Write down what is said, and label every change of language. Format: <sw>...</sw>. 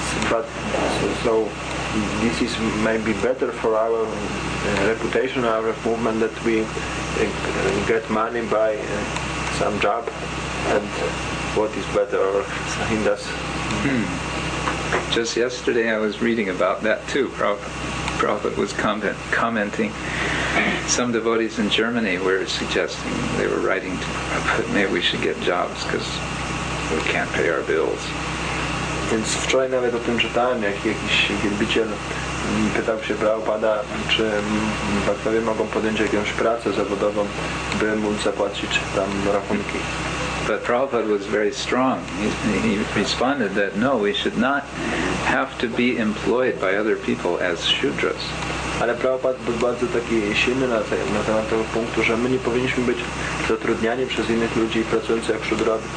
<en>But so this is maybe better for our reputation, our movement, that we get money by some job, and what is better or in this. Just yesterday I was reading about that too. Prabhupada was commenting. Some devotees in Germany were suggesting, they were writing to Prabhupada, maybe we should get jobs because we can't pay our bills.</en> <pl>Więc wczoraj nawet o tym czytałem, jak jakiś wielbiciel pytał się Prabhupada, czy Bhaktowie mogą podjąć jakąś pracę zawodową, by móc zapłacić tam rachunki.</pl> <en>But Prabhupada was very strong. He responded that no, we should not have to be employed by other people as shudras.</en> <pl>Ale Prabhupada był bardzo taki silny na temat tego punktu, że my nie powinniśmy być zatrudniani przez innych ludzi pracujących jak szudrowie.</pl>